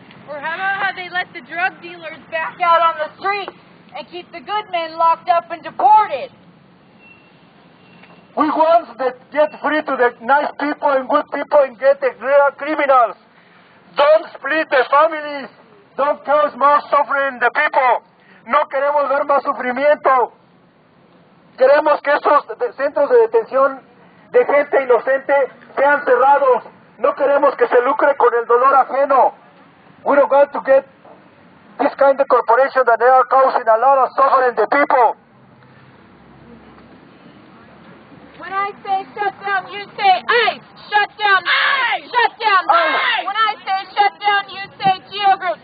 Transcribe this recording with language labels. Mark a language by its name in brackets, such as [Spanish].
[English] Or how about how they let the drug dealers back out on the street and keep the good men locked up and deported? We want to get free to the nice people and good people and get the real criminals. Don't split the families. Don't cause more suffering the people. [Spanish] No queremos ver más sufrimiento. Queremos que estos centros de detención de gente inocente sean cerrados. No queremos que se lucre con el dolor ajeno. [English] We don't want to get this kind of corporation that they are causing a lot of suffering to people. When I say shut down, you say ICE! Shut down! ICE! Shut down! ICE! When I say shut down, you say Geo Group!